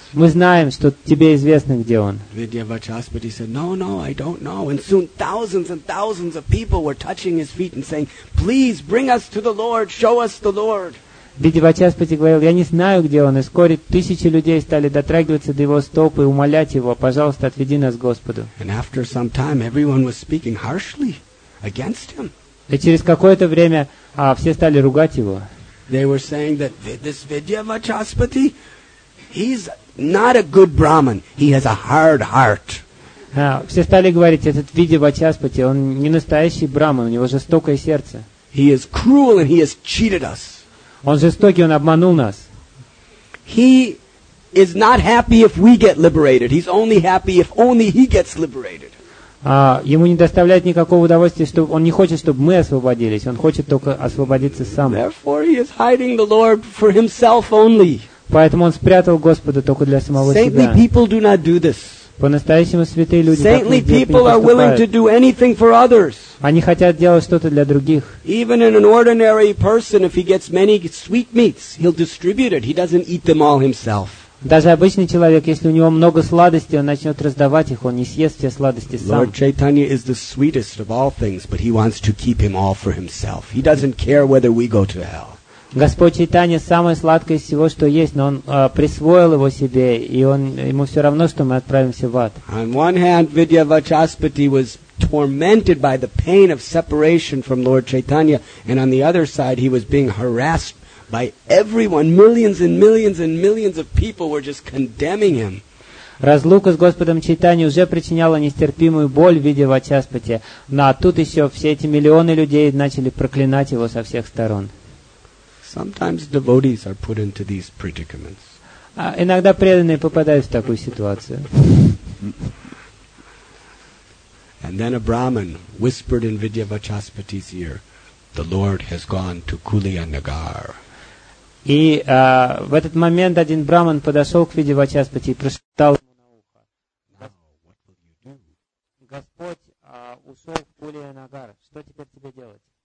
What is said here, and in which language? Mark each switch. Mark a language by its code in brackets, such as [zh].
[ru] Мы знаем, что тебе известно, где он. [en] Vidya Vachaspati said, no, no, I don't know. And soon thousands and thousands of people were touching his feet and saying, please bring us to the Lord, show us the Lord. [ru] Vidya Vachaspati говорил, я не знаю, где он. И вскоре тысячи людей стали дотрагиваться до его стоп и умолять его, пожалуйста, отведи нас к Господу. [en] And after some time, everyone was speaking harshly against him. [ru] И через какое-то время все стали ругать его. [en] They were saying that this Vidya Vachaspati, he's not a good Brahmin. He has a hard heart. [ru] Все стали говорить, этот Vidya Vachaspati, он не настоящий Брахман, у него жестокое сердце. [en] He is cruel and he has cheated us. [ru] Он жестокий, он обманул нас. [en] He is not happy if we get liberated. He's only happy if only he gets liberated. [ru] Ему не доставляет никакого удовольствия, что он не хочет, чтобы мы освободились. Он хочет только освободиться сам. [en] Therefore, he is hiding the Lord for himself only. [ru] Поэтому он спрятал Господа только для самого [en] Saintly [ru] себя. [en] Saintly people do not do this. [ru] По-настоящему святые люди так не поступают. [en] Saintly people are willing to do anything for others. [ru] Они хотят делать что-то для других. [en] Even in an ordinary person, if he gets many sweetmeats, he'll distribute it. He doesn't eat them all himself. [ru] Даже обычный человек, если у него много сладостей, он начнет раздавать их, он не съест все сладости сам. [en] Lord Chaitanya is the sweetest of all things, but he wants to keep him all for himself. He doesn't care whether we go to hell. [ru] Господь Чайтанья самое сладкое из всего, что есть, но он присвоил его себе, и он ему все равно, что мы отправимся в ад. [en] On one hand, Vidya Vachaspati was tormented by the pain of separation from Lord Chaitanya, and on the other side, he was being harassed by everyone. Millions and millions and millions of people were just condemning him. [ru] Разлука с Господом Чайтанья уже причиняла нестерпимую боль в виде Вачаспати, но тут еще все эти миллионы людей начали проклинать его со всех сторон. [en] Sometimes devotees are put into these predicaments. [ru] Иногда преданные попадают в такую ситуацию. [en] And then a Brahmin whispered in Vidya Vachaspati's ear, "The Lord has gone to Kuliya Nagar." [ru] И в этот момент один Брахман подошел к Видья Вачаспати и прошептал ему на ухо: "Господь ушел в Кулия Нагар. Что теперь тебе делать?"